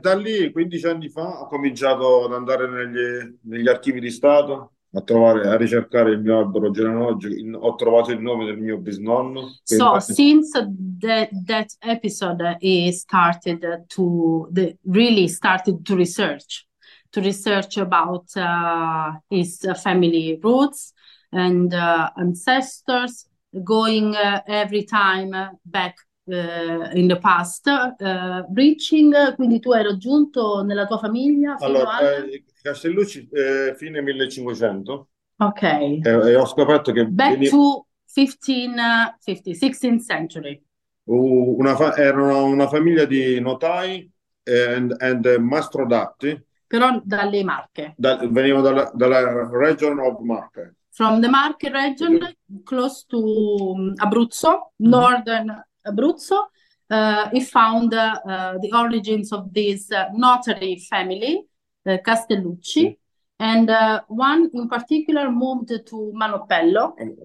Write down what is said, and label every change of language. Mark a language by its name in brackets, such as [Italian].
[Italian] da lì, 15 anni fa, ho cominciato ad andare negli archivi di Stato. A ricercare il mio albero genealogico, ho trovato il nome del mio bisnonno. [English] So, since that episode, he started really started to research about his family roots and ancestors, going every time back in the past, reaching. [Italian] Quindi tu hai raggiunto nella tua famiglia fino Allora, al. Castellucci, fine 1500, Ok, e ho scoperto che [English] back to 1550, 16th century. [Italian] erano una famiglia di notai e mastrodatti, Però dalle Marche. venivano dalla [English] region of [Italian] Marche. [English] From the Marche region, close to Abruzzo, northern Abruzzo, he found the origins of this notary family, Castellucci. And one in particular moved to Manopello.